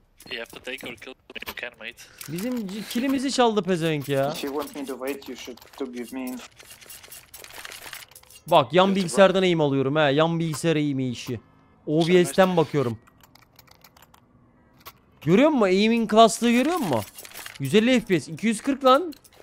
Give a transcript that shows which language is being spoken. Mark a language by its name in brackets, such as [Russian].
[English] You have to take or kill them if you can, mate. [Turkish] Bizim killimizi çaldı pezevenk ya. [English] If you want me to wait, you should to give me in. [Turkish] Bak yan bilgisayardan aim alıyorum he. Yan bilgisayar aim işi. OBS'ten bakıyorum. Görüyor musun? Aiming class'lığı görüyor musun? 150 FPS. 240 lan.